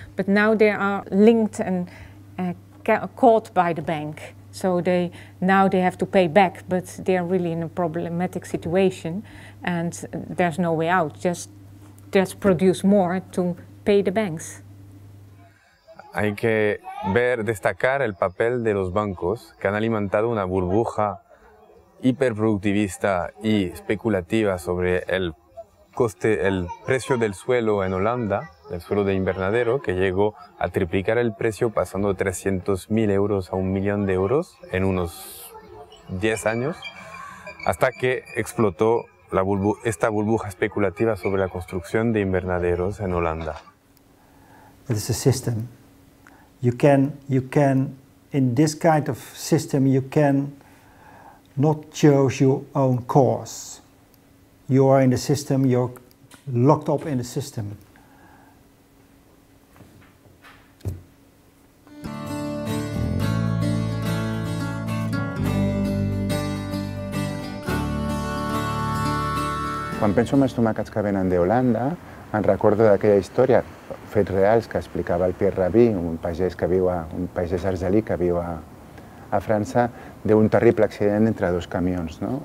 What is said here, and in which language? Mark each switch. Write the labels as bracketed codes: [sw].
[en] But now they are linked and caught by the bank. So now they have to pay back, but they are really in a problematic situation. And there's no way out, just produce more to pay the banks. [es] Hay que destacar el papel de los bancos, que han alimentado una burbuja hiperproductivista y especulativa sobre el coste, el precio del suelo en Holanda, el suelo de invernadero, que llegó a triplicar el precio, pasando de 300.000 euros a 1.000.000 de euros en unos 10 años, hasta que explotó esta burbuja especulativa sobre la construcción de invernaderos en Holanda. [en] It's a system. You can in this kind of system you can not choose your own course. You are in the system, you're locked up in the system. [ca] Quan penso en els tomàquets que venen de Holanda, em recordo d'aquella història, fets reals, que explicava el Pierre Rabhi, un pagès argelí que viu a França, d'un terrible accident entre dos camions, no?